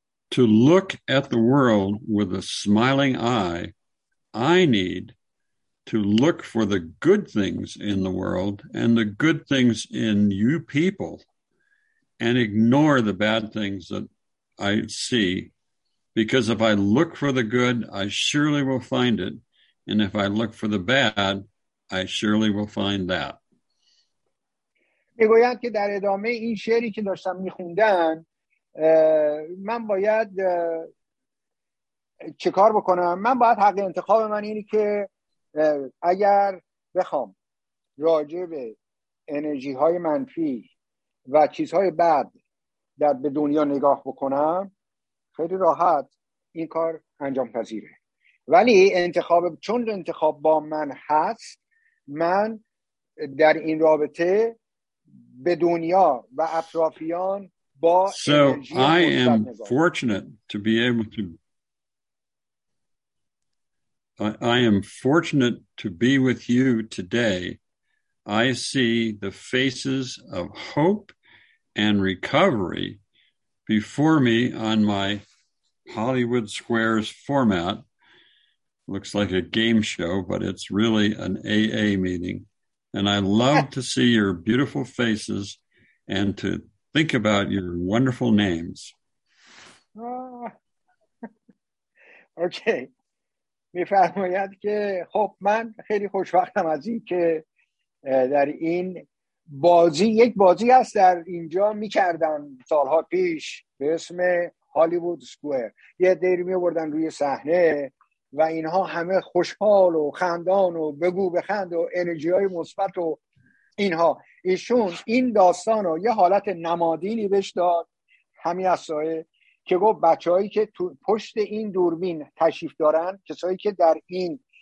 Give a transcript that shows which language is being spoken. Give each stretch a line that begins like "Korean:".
English: To look at the world with a smiling eye, I need to look for the good things in the world and the good things in you people and ignore the bad things that I see. Because if I look for the good, I surely will find it. And if I look for the bad, I surely will find that.
Persian: میگویند که در ادامه این شعری که داشتم میخوندن من باید چه کار بکنم؟ من باید حق انتخاب من اینی که اگر بخوام راجع به انرژی های منفی و چیزهای بد در به دنیا نگاه بکنم خیلی راحت این کار انجام پذیره، ولی انتخاب چون انتخاب با من هست، من در این رابطه به دنیا و اطرافیان با
English: so I am fortunate to be able to I am fortunate to be with you today. I see the faces of hope and recovery before me on my Hollywood Squares format. Looks like a game show, but it's really an AA meeting. And I love to see your beautiful faces and to think about your wonderful names. Okay.
Persian: می فرماید که خب من خیلی خوشبختم از این که در این بازی، یک بازی هست در اینجا می کردم سالها پیش به اسم هالیوود سکوئر، یه دیر می بردن روی صحنه و اینها همه خوشحال و خندان و بگو بخند و انرژی های مثبت و اینها، ایشون این داستان رو یه حالت نمادینی بهش داد همین اصلاحه که گفت بچه‌هایی که پشت این دوربین تشریف دارن، کسایی که در این